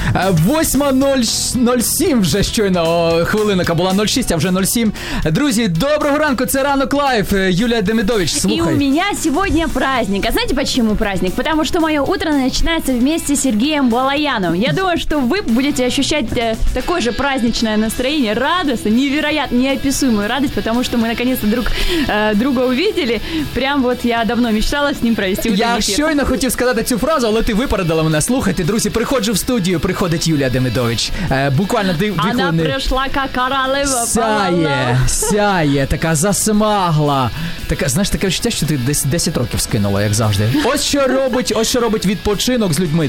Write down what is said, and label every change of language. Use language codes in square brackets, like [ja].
[uk] Восьма 07 вже щойно, хвилинка була 06, а вже 07. Друзі, доброго ранку, це Ранок Лайф, Юлія Демидович, слухай. [ru] И у меня сегодня праздник. А знаете, почему праздник? Потому что мое утро начинается вместе с Сергеем Балаяном. Я думаю, что вы будете ощущать такое же праздничное настроение, радость, невероятно неописуемую радость, потому что мы наконец-то друг друга увидели. Прям вот я давно мечтала с ним провести утро. [uk] Я щойно хотів сказати цю фразу, але ти випередила мене. Слухайте, друзі, приходжу в студію, приходить Юлія Демидович. Буквально дві хвилини. Вона прийшла, як королева. Сяє, така засмагла. Така, знаєш, таке відчуття, що ти 10 років скинула, як завжди. Ось що робить відпочинок з людьми.